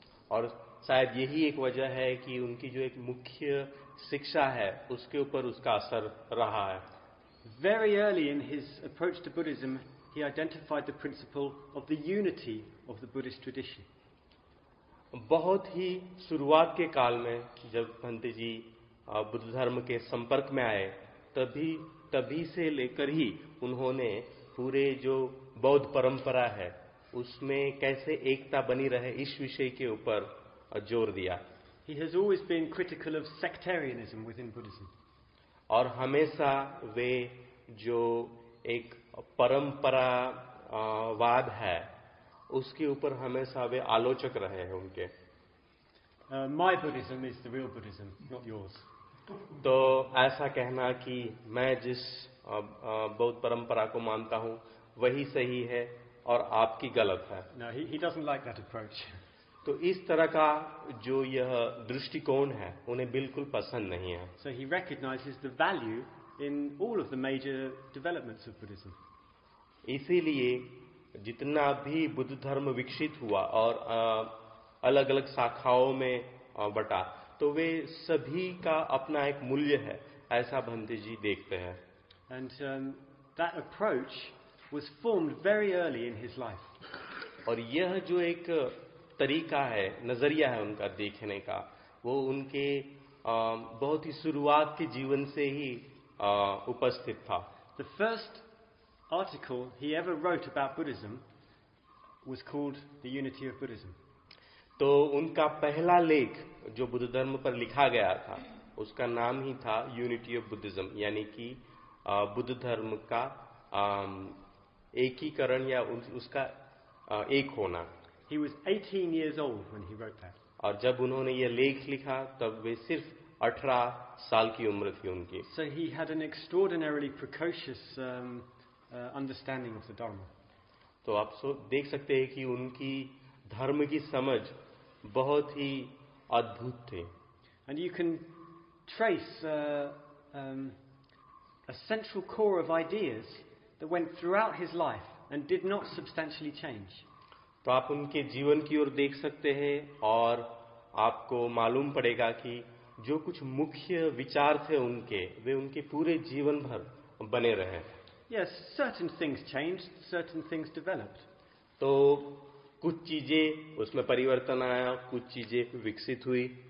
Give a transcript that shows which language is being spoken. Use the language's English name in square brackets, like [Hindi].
[Hindi] और शायद यही एक वजह है कि उनकी जो एक मुख्य शिक्षा है उसके ऊपर उसका असर रहा है। [English] Very early in his approach to Buddhism, he identified the principle of the unity of the Buddhist tradition. [Hindi] बहुत ही शुरुआत के काल में जब भंते जी बुद्ध धर्म के संपर्क में आए, तभी से लेकर ही उन्होंने पूरे जो बौद्ध परंपरा है उसमें कैसे एकता बनी रहे, इस विषय के ऊपर जोर दिया। [English] He has always been critical of sectarianism within Buddhism. [Hindi] और हमेशा वे जो एक परंपरावाद है उसके ऊपर हमेशा वे आलोचक रहे हैं उनके। [English] My Buddhism is the real Buddhism, not yours. [Hindi] तो ऐसा कहना कि मैं जिस बौद्ध परंपरा को मानता हूँ वही सही है और आपकी गलत है। [English] No, he doesn't like that approach. [Hindi] तो इस तरह का जो यह दृष्टिकोण है उन्हें बिल्कुल पसंद नहीं है। [English] So he recognizes the value in all of the major developments of Buddhism. [Hindi] इसीलिए जितना भी बुद्ध धर्म विकसित हुआ और अलग अलग शाखाओं में बटा, तो वे सभी का अपना एक मूल्य है, ऐसा भंते जी देखते हैं। [English] And that approach was formed very early in his life. [Hindi] और यह जो एक तरीका है, नजरिया है उनका देखने का, वो उनके बहुत ही शुरुआत के जीवन से ही उपस्थित था। [English] The first article he ever wrote about Buddhism was called The Unity of Buddhism. [Hindi] तो उनका पहला लेख जो बुद्ध धर्म पर लिखा गया था उसका नाम ही था यूनिटी ऑफ बुद्धिज्म, यानी कि बुद्ध धर्म का एकीकरण या उसका एक होना. [English] He was 18 years old when he wrote that. [Hindi] और जब उन्होंने ये लेख लिखा तब वे सिर्फ 18 साल की उम्र थी उनकी. [English] So he had an extraordinarily precocious understanding of the Dharma. [Hindi] तो आप देख सकते हैं कि उनकी धर्म की समझ बहुत ही अद्भुत थी. [English] And you can trace a central core of ideas that went throughout his life and did not substantially change. [Hindi] तो आप उनके जीवन की ओर देख सकते हैं और आपको मालूम पड़ेगा कि जो कुछ मुख्य विचार थे उनके, वे उनके पूरे जीवन भर बने रहे. [English] Yes, certain things changed, certain things developed. [Hindi] तो कुछ चीजें उसमें परिवर्तन आया, कुछ चीजें विकसित हुई.